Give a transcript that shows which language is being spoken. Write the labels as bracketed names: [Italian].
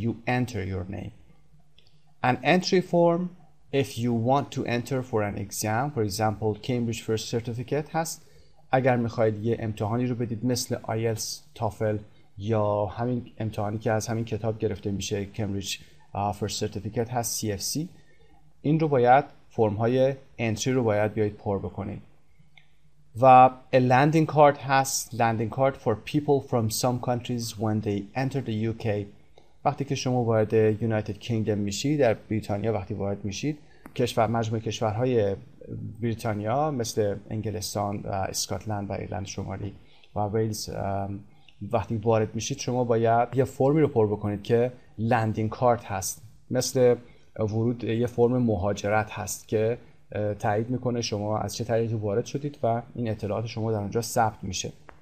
[English] You enter your name. An entry form, if you want to enter for an exam, for example, Cambridge First Certificate هست. [Persian] اگر میخواید یه امتحانی رو بدید مثل IELTS, TOEFL یا همین امتحانی که از همین کتاب گرفته میشه Cambridge First Certificate هست, CFC. این رو باید فرم های entry رو باید بیایید پر بکنید. [English] و a landing card هست, landing card for people from some countries when they enter the UK. [Persian] وقتی که شما وارد United Kingdom میشید، در بریتانیا وقتی وارد میشید، کشور مجموع کشورهای بریتانیا مثل انگلستان و اسکاتلند و ایرلند شمالی و ویلز، وقتی وارد میشید شما باید یه فرمی رو پر بکنید که landing card هست، مثل ورود یه فرم مهاجرت هست که تایید میکنه شما از چه طریقی وارد شدید و این اطلاعات شما در اونجا ثبت میشه.